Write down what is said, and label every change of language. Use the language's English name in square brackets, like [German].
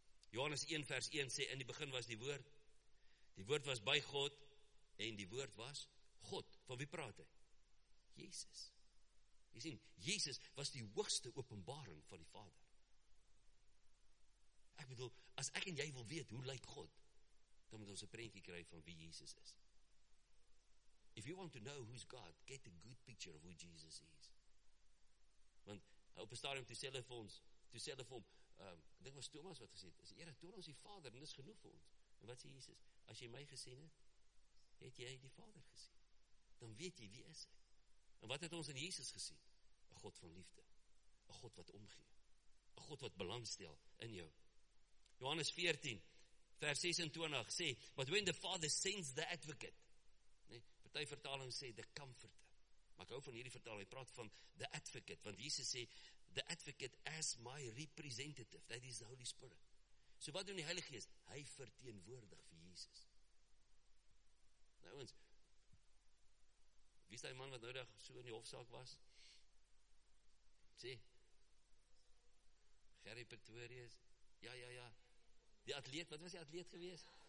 [Afrikaans] Johannes 1 vers 1 sê, in die begin was die woord. Die woord was by God en die woord was God. Van wie praat hy? Jesus. Jy sien, Jesus was die hoogste openbaring van die Vader. Ek bedoel, as ek en jy wil weet hoe lyk God, dan moet ons 'n prentjie kry van wie Jesus is. [English] If you want to know who's God, get a good picture of who Jesus is. [Afrikaans] Want op 'n stadium toe sê hulle vir hom, ek dink was Thomas wat gesê het, is Here, toon ons die Vader en dis genoeg vir ons. En wat sê Jesus? As jy my gesien het, het jy die Vader gesien. Dan weet jy wie is hy. En wat het ons in Jesus gesien? 'N God van liefde. 'N God wat omgee. 'N God wat belangstel in jou. Johannes 14 vers 26 sê, [English] but when the Father sends the advocate, [Afrikaans] die vertaling sê, [English] the comforter. [Afrikaans] Maar ek hou van hierdie vertaling, hy praat van [English] the advocate, [Afrikaans] want Jesus sê, [English] the advocate as my representative, that is the Holy Spirit. [Afrikaans] So wat doen die Heilige Gees? Hy verteenwoordig vir Jesus. Nou ons, wie is die man wat nou daar so in die hofsaak was? Sê, Gerry Pretorius, ja, die atleet, wat was die atleet gewees?